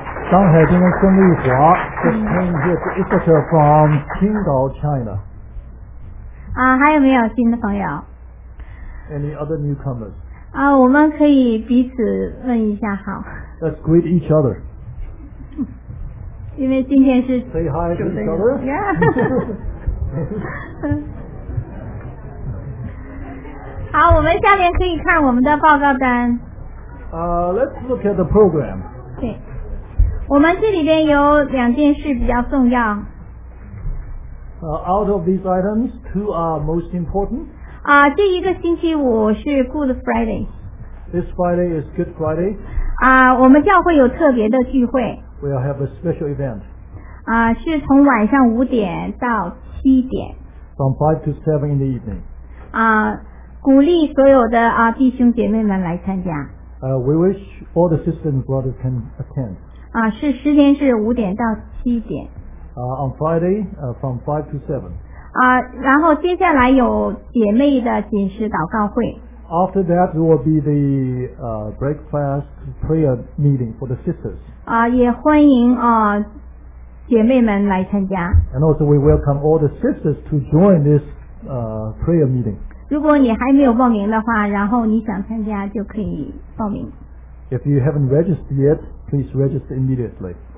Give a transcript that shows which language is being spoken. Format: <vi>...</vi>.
<zh>上海今天孙丽华</zh> <en>，Just came here to Israel from Qingdao, China.</en> <zh>还有没有新的朋友</zh> <en>？Any other newcomers?</en> <zh>我们可以彼此问一下，好。</zh> <en>Let's greet each other.</en> <zh>因为今天是</zh> <en>Say hi to each other. Yeah.</en> <zh>好，我们下面可以看我们的报告单。</zh> <en>Let's look at the program.</en> <zh>对，我们这里边有两件事比较重要。</zh> <en>Out of these items, two are most important.</en> <zh>这一个星期五是 Good Friday.</zh> <en>This Friday is Good Friday.</en> <zh>我们教会有特别的聚会。</zh> <en>We'll have a special event.</en> <zh>是从晚上五点到七点。</zh> <en>From 5 to 7 in the evening.</en> <zh>鼓励所有的弟兄姐妹们来参加。</zh> <en>We wish all the sisters and brothers can attend.</en> <zh>是时间是五点到七点。</zh> <en>On Friday, from 5 to 7.</en> <zh>然后接下来有姐妹的紧实祷告会。</zh> <en>After that, there will be the breakfast prayer meeting for the sisters.</en> <zh>也欢迎姐妹们来参加。</zh> <en>And also, we welcome all the sisters to join this prayer meeting.</en> <zh>如果你还没有报名的话，然后你想参加就可以报名。</zh> <en>If you haven't registered yet, please register immediately.</en>